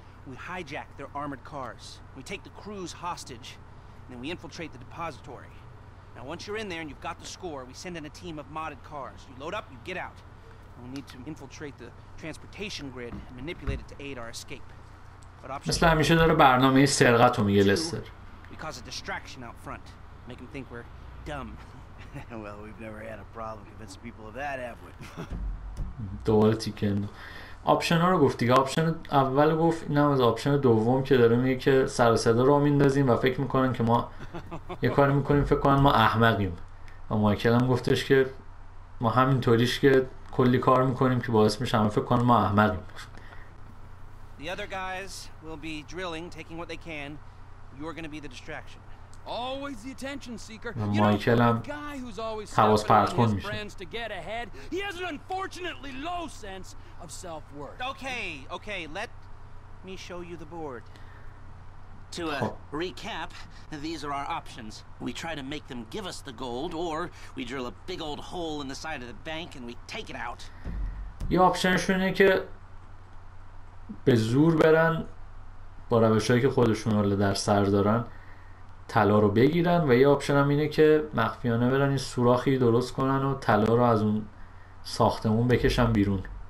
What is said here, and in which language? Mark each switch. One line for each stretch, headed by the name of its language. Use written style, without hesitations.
English: We hijack their armored cars. We take the crews hostage, and then we infiltrate the depository. Now, once you're in there and you've got the score, we send in a team of modded cars. You load up, you get out. We need to infiltrate the transportation grid and manipulate it to aid our escape. But option two.
Persian: همیشه داره برنامه سرقت رو میگه لستر.
English: We cause a distraction out front, make them think we're dumb. Well, we've never had a problem convincing people of that, have we?
Persian: دوباره تیکن. آپشن ها رو گفت دیگه. آپشن اول گفت، اینم از آپشن دوم که داره میگه که سر و صدا رو میندازیم و فکر میکنن که ما یه کاری میکنیم، فکر کنن ما احمقیم. و مایکل هم گفتش که ما همین طوریش که کلی کار میکنیم که باعث میشه همه فکر کنن ما احمقیم.
English: The other guys will be drilling, taking what they can. You're going to be the distraction. Always the attention seeker.
Persian: مایکل هم حواس پرت کن میشه.
English: He has an unfortunately low sense of self-worth. Okay, let me show you the board. To recap, these are our options. We try to make them give us the gold, or we drill a big old hole in the side of the bank and we take it out.
Persian: یه آپشنش اینه که به زور برن با روشایی که خودشون رو در سر دارن طلا رو بگیرن، و یه آپشن هم اینه که مخفیانه برن یه سوراخی درست کنن و طلا رو از اون ساختمون بکشن بیرون.